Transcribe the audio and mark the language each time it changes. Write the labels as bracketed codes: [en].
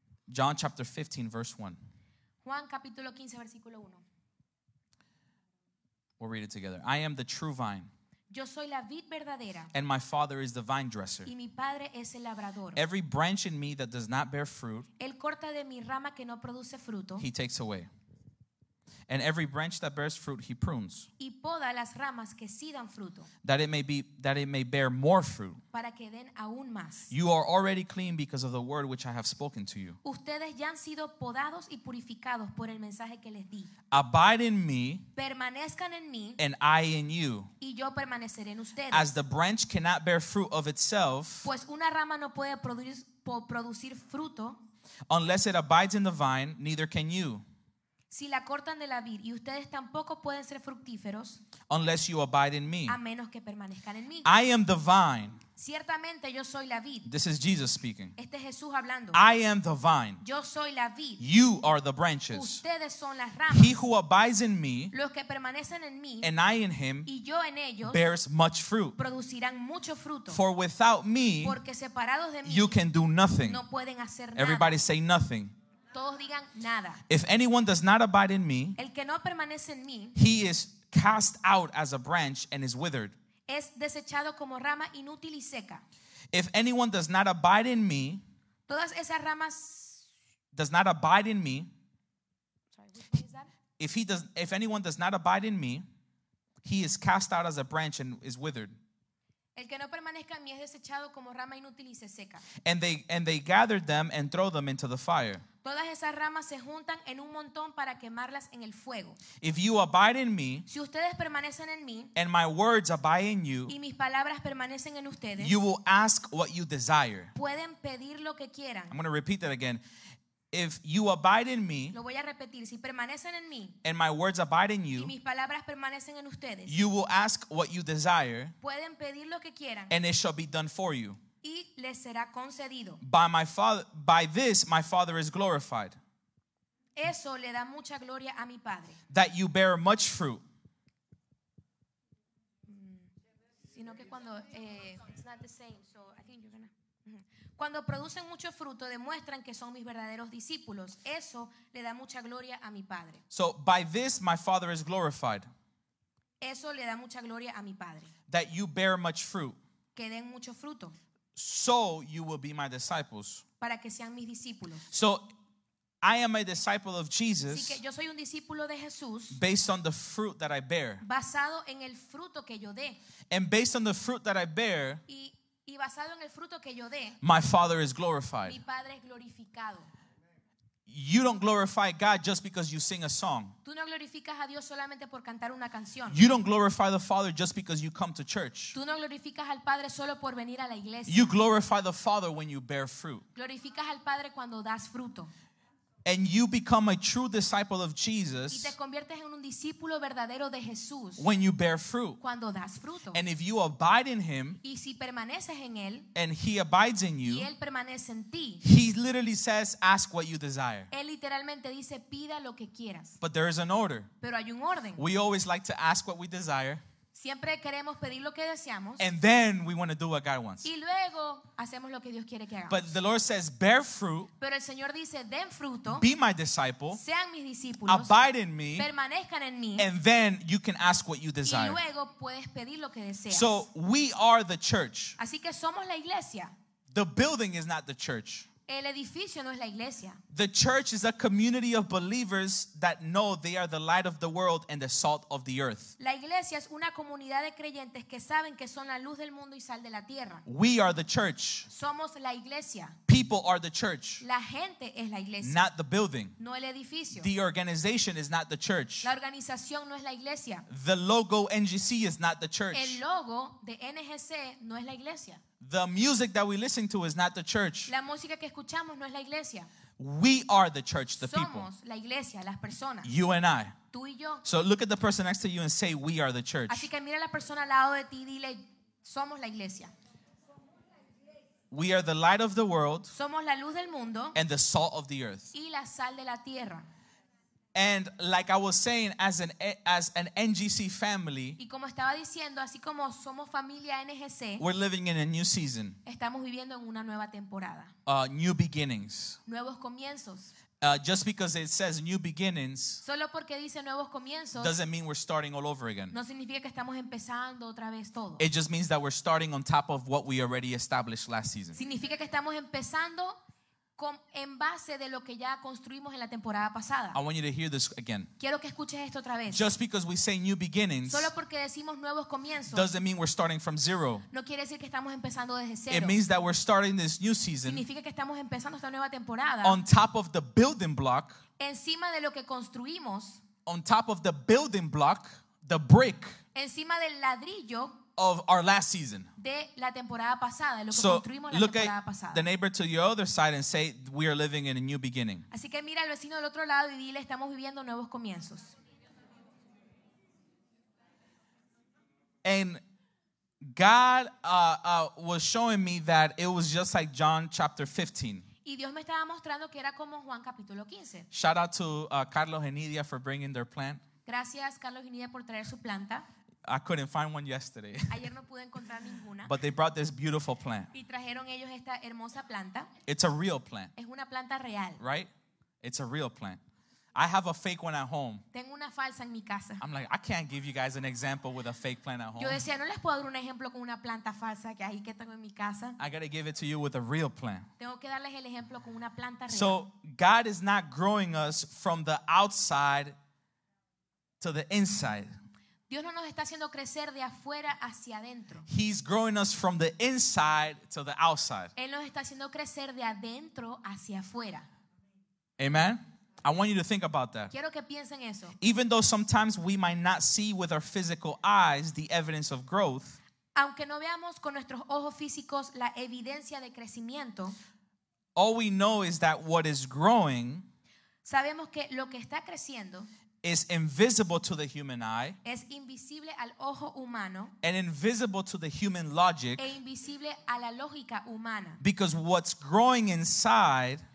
[en] John chapter 15, verse 1. [es] Juan capítulo 15, versículo 1. [en] We'll read it together. I am the true vine. [es] Yo soy la vid verdadera. [en] And my father is the vine dresser. [es] Y mi padre es el labrador. [en] Every branch in me that does not bear fruit, [es] él corta de mi rama que no produce fruto, [en] he takes away. And every branch that bears fruit, he prunes. [es] Y poda las ramas que sí dan fruto. [en] That it may bear more fruit. [es] Para que den aún más. [en] You are already clean because of the word which I have spoken to you. [es] Ustedes ya han sido podados y purificados por el mensaje que les di. [en] Abide in me. [es] Permanezcan en mí. [en] And I in you. [es] Y yo permaneceré en ustedes. [en] As the branch cannot bear fruit of itself. [es] Pues una rama no puede producir fruto. [en] Unless it abides in the vine, neither can you. [es] Si la cortan de la vid y ustedes tampoco pueden ser fructíferos. [en] Unless you abide in me. [es] A menos que permanezcan en mí. [en] I am the vine. [es] Ciertamente yo soy la vid. [en] This is Jesus speaking. [es] Este es Jesús hablando. [en] I am the vine. [es] Yo soy la vid. [en] You are the branches. [es] Ustedes son las ramas. [en] He who abides in me. [es] Los que permanecen en mí. [en] And I in him. [es] Y yo en ellos. [en] Bears much fruit. [es] Producirán mucho fruto. [en] For without me. [es] Porque separados de mí. [en] You can do nothing. [es] No pueden hacer nada. [en] Everybody say nothing. [es] Todos digan nada. [en] If anyone does not abide in me, [es] el que no permanece en mí, [en] he is cast out as a branch and is withered. [es] Es desechado como rama inútil y seca. [en] If anyone does not abide in me, [es] todas esas ramas [en] does not abide in me. Sorry, which one is that? If anyone does not abide in me, he is cast out as a branch and is withered. [es] El que no permanezca en mí es desechado como rama inútil y se seca. [en] And they gathered them and throw them into the fire. [es] Todas esas ramas se juntan en un montón para quemarlas en el fuego. [en] If you abide in me, [es] si ustedes permanecen en mí, [en] and my words abide in you, [es] y mis palabras permanecen en ustedes, [en] you will ask what you desire. [es] Pueden pedir lo que quieran. [en] I'm going to repeat that again. If you abide in me, [es] lo voy a repetir, si permanecen en mí, [en] and my words abide in you, [es] y mis palabras permanecen en ustedes, [en] you will ask what you desire, [es] pueden pedir lo que quieran, [en] and it shall be done for you. [es] Y les será concedido. [en] By this my Father is glorified. [es] Eso le da mucha gloria a mi Padre. [en] That you bear much fruit. [es] Sino que cuando, [en] it's not the same, so I think you're going to... [es] Cuando producen mucho fruto, demuestran que son mis verdaderos discípulos. Eso le da mucha gloria a mi Padre. [en] So by this my Father is glorified. [es] Eso le da mucha gloria a mi Padre. [en] That you bear much fruit. [es] Que den mucho fruto. [en] So you will be my disciples. [es] Para que sean mis discípulos. [en] So I am a disciple of Jesus. [es] Así que yo soy un discípulo de Jesús. [en] Based on the fruit that I bear. [es] Basado en el fruto que yo dé. [en] And based on the fruit that I bear. [es] Y basado en el fruto que yo dé, [en] my Father is glorified. [es] Mi Padre es glorificado. [en] You don't glorify God just because you sing a song. [es] Tú no glorificas a Dios solamente por cantar una canción. [en] You don't glorify the Father just because you come to church. [es] Tú no glorificas al Padre solo por venir a la iglesia. [en] You glorify the Father when you bear fruit. [es] Glorificas al Padre cuando das fruto. [en] And you become a true disciple of Jesus. [es] Y te conviertes en un discípulo verdadero de Jesús. [en] When you bear fruit. [es] Cuando das fruto. [en] And if you abide in him. [es] Y si permaneces en él. [en] And he abides in you. [es] Y él permanece en ti. [en] He literally says, ask what you desire. [es] Él literalmente dice, pida lo que quieras. [en] But there is an order. [es] Pero hay un orden. [en] We always like to ask what we desire. [es] Siempre queremos pedir lo que deseamos. [en] And then we want to do what God wants. [es] Y luego hacemos lo que Dios quiere que hagamos. [en] But the Lord says, bear fruit. [es] Pero el Señor dice, den fruto. [en] Be my disciple. [es] Sean mis discípulos. [en] Abide in me. [es] Permanezcan en mí. [en] And then you can ask what you desire. [es] Y luego puedes pedir lo que deseas. [en] So we are the church. [es] Así que somos la iglesia. [en] The building is not the church. [es] El edificio no es la iglesia. [en] The church is a community of believers that know they are the light of the world and the salt of the earth. [es] La iglesia es una comunidad de creyentes que saben que son la luz del mundo y sal de la tierra. [en] We are the church. [es] Somos la iglesia. [en] People are the church. [es] La gente es la iglesia. [en] Not the building. [es] No el edificio. [en] The organization is not the church. [es] La organización no es la iglesia. [en] The logo NGC is not the church. [es] El logo de NGC no es la iglesia. [en] The music that we listen to is not the church. [es] La música que escuchamos no es la iglesia. [en] We are the church, the [es] somos [en] people. [es] Somos la iglesia, las personas. [en] You and I. [es] Tú y yo. [en] So look at the person next to you and say, we are the church. [es] Así que mira a la persona al lado de ti y dile, somos la iglesia. [en] We are the light of the world. [es] Somos la luz del mundo. [en] And the salt of the earth. [es] Y la sal de la tierra. [en] And like I was saying, as an NGC family, [es] y como estaba diciendo, así como somos familia NGC, [en] we're living in a new season. [es] Estamos viviendo en una nueva temporada. [en] New beginnings. [es] Nuevos comienzos. [en] Just because it says new beginnings, [es] solo porque dice nuevos comienzos, [en] doesn't mean we're starting all over again. [es] No significa que estamos empezando otra vez todo. [en] It just means that we're starting on top of what we already established last season. [es] Significa que estamos empezando en base de lo que ya construimos en la temporada pasada. [en] I want you to hear this again. [es] Quiero que escuches esto otra vez. [en] Just because we say new beginnings, [es] solo porque decimos nuevos comienzos, [en] doesn't mean we're starting from zero. [es] No quiere decir que estamos empezando desde cero. [en] It means that we're starting this new season. [es] Significa que estamos empezando esta nueva temporada. [en] On top of the building block, [es] encima de lo que construimos, [en] on top of the building block, the brick, [es] encima del ladrillo, [en] of our last season. [es] De la temporada pasada, lo que [en] so [es] construimos la [en] look [es] temporada [en] at [es] pasada. [en] The neighbor to your other side and say, we are living in a new beginning. [es] Así que mira al vecino del otro lado y dile, estamos viviendo nuevos comienzos. [en] And God was showing me that it was just like John chapter 15. [es] Y Dios me estaba mostrando que era como Juan capítulo 15. [en] Shout out to Carlos and Nidia for bringing their plant. [es] Gracias Carlos y Nidia por traer su planta. [en] I couldn't find one yesterday. [es] Ayer no pude encontrar ninguna. [en] But they brought this beautiful plant. [es] Y trajeron ellos esta hermosa planta. [en] It's a real plant. [es] Es una planta real. [en] Right? It's a real plant. I have a fake one at home. [es] Tengo una falsa en mi casa. [en] I'm like, I can't give you guys an example with a fake plant at home. [es] Yo decía, no les puedo dar un ejemplo con una planta falsa que ahí que tengo en mi casa. [en] I gotta give it to you with a real plant. [es] Tengo que darles el ejemplo con una planta real. [en] So God is not growing us from the outside to the inside. [es] Dios no nos está haciendo crecer de afuera hacia adentro. [en] He's growing us from the inside to the outside. [es] Él nos está haciendo crecer de adentro hacia afuera. [en] Amen. I want you to think about that. [es] Quiero que piensen eso. [en] Even though sometimes we might not see with our physical eyes the evidence of growth, [es] aunque no veamos con nuestros ojos físicos la evidencia de crecimiento, [en] all we know is that what is growing, [es] sabemos que lo que está creciendo, [en] is invisible to the human eye, [es] es invisible al ojo humano, [en] and invisible to the human logic, [es] e invisible a la lógica humana. [en] Because what's growing inside,